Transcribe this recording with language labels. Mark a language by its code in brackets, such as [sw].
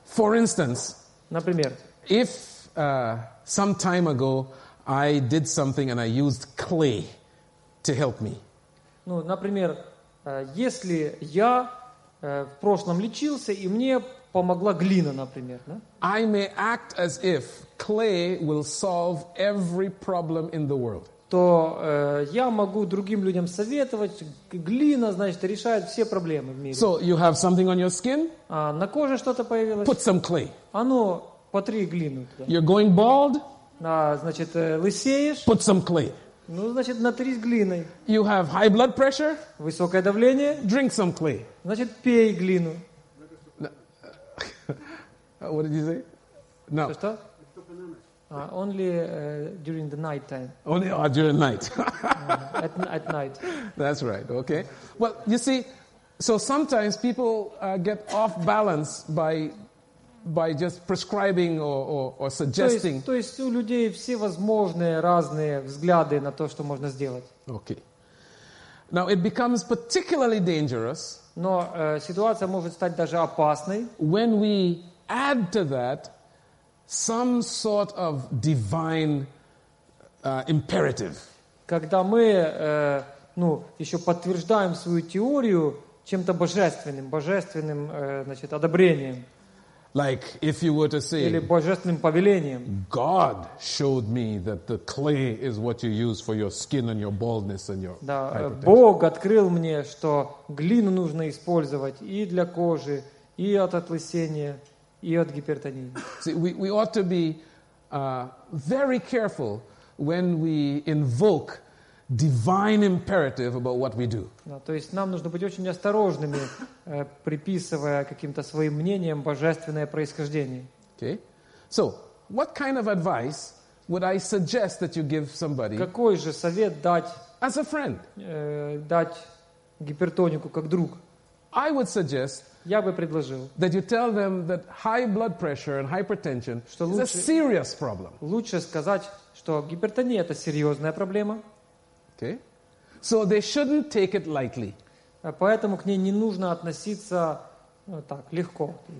[en] For instance, [ru] например, [en] if some time ago I did something and I used clay to help me. [ru] Ну, например, если я в прошлом лечился, и мне помогла глина, например. Да? [en] I may act as if clay will solve every problem in the world. [ru] То я могу другим людям советовать, глина, значит, решает все проблемы в мире. [en] So you have something on your skin? [ru] На коже что-то появилось? [en] Put some clay. [ru] А ну, потри глину туда. [en] You're going bald? [ru] Значит, лысеешь? [en] Put some clay. [ru] Ну, значит, натрись глиной. [en] You have high blood pressure? [ru] Высокое давление? [en] Drink some clay. [ru] Значит, пей глину. [en] What did you say? No. [ru] Что? [en] Only during the night time. Only during night. at night. That's right, okay. Well, you see, so sometimes people get off balance by just prescribing or suggesting. [ru] То есть у людей все возможные разные взгляды на то, что можно сделать. [en] Okay. Now it becomes particularly dangerous. [ru] Но ситуация может стать даже опасной. [en] When we add to that some sort of divine imperative. [ru] Когда мы еще подтверждаем свою теорию чем-то божественным, значит, одобрением. [en] Like if you were to say, [ru] или божественным повелением. [en] God showed me that the clay is what you use for your skin and your baldness and your. [ru] Да, Бог открыл мне, что глину нужно использовать и для кожи, и от отлысения, и от гипертонии. [en] See, we ought to be very careful when we invoke divine imperative about what we do. [ru] То есть нам нужно быть очень осторожными, приписывая каким-то своим мнением божественное происхождение. [en] Okay. So, what kind of advice would I suggest that you give somebody? [ru] Какой же совет дать? [en] As a friend. [ru] Дать гипертонику как друг. [en] I would suggest. [ru] Я бы предложил. [en] That you tell them that high blood pressure and hypertension is a serious problem. [ru] Лучше сказать, что гипертония это серьезная проблема. [en] Okay. So they shouldn't take it lightly. [ru] Поэтому к ней не нужно относиться так легко.